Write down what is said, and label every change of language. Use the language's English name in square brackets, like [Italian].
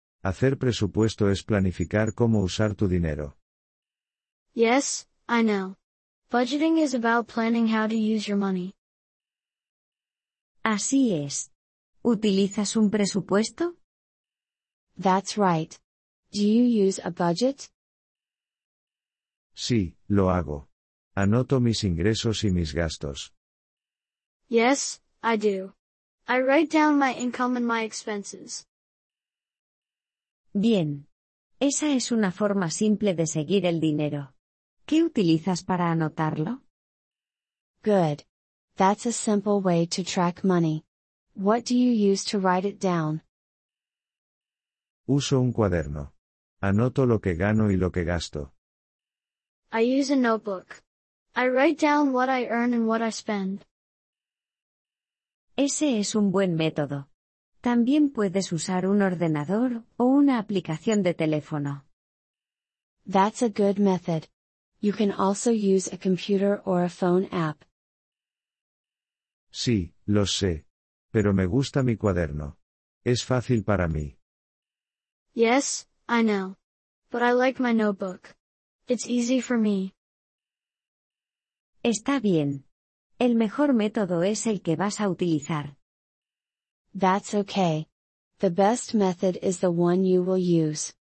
[Spanish] Hacer presupuesto es planificar cómo usar tu dinero. [English] Yes, I know. Budgeting is about planning how to use your money. [Spanish] Así es. ¿Utilizas un presupuesto? [English] That's right. Do you use a budget? [Spanish] Sí, lo hago. Anoto mis ingresos y mis gastos. [English] Yes, I do. I write down my income and my expenses. [Spanish] Bien. Esa es una forma simple de seguir el dinero. ¿Qué utilizas para anotarlo? [English] Good. That's a simple way to track money. What do you use to write it down? [Spanish] Uso un cuaderno. Anoto lo que gano y lo que gasto. [English] I use a notebook. I write down what I earn and what I spend. [Spanish] Ese es un buen método. También puedes usar un ordenador o una aplicación de teléfono. [English] That's a good method. You can also use a computer or a phone app. [Spanish] Sí, lo sé. Pero me gusta mi cuaderno. Es fácil para mí. [English] Yes, I know. But I like my notebook. It's easy for me. [Spanish] Está bien. El mejor método es el que vas a utilizar. [English] That's okay. The best method is the one you will use.